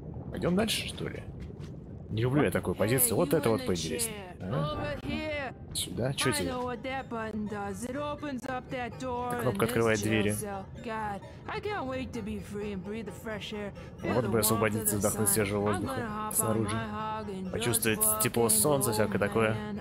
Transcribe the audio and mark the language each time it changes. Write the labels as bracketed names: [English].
[Russian] Пойдем дальше, что ли? Не люблю я такую позицию. Вот это вот поинтереснее. Сюда? Чё тебе? [English] I know what that button does. It opens up that door. [Russian] Кнопка открывает двери. [English] God, I can't wait to be free and breathe the fresh air. [Russian] Вот бы освободиться, вдохнуть свежего воздуха снаружи. Почувствовать тепло солнца, всякое такое.